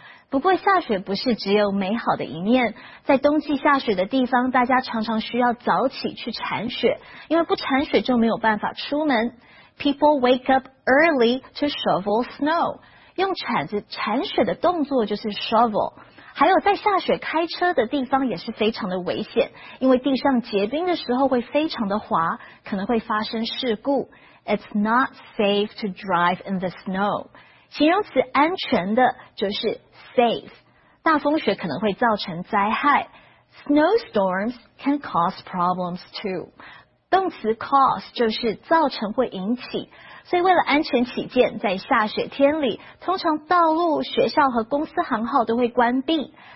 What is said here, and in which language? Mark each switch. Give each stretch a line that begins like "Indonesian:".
Chinese: 不过下雪不是只有美好的一面，在冬季下雪的地方，大家常常需要早起去铲雪，因为不铲雪就没有办法出门。
English: People wake up early to shovel snow.
Chinese: 用铲子铲雪的动作就是 shovel。还有在下雪开车的地方也是非常的危险，因为地上结冰的时候会非常的滑，可能会发生事故。
English: It's not safe to drive in the snow.
Chinese: 形容词安全的就是 safe. 大风雪可能会造成灾害。
English: Snowstorms can cause problems too. 动词 cause
Chinese: 就是造成或引起。所以为了安全起见，在下雪天里，通常道路、学校和公司行号都会关闭。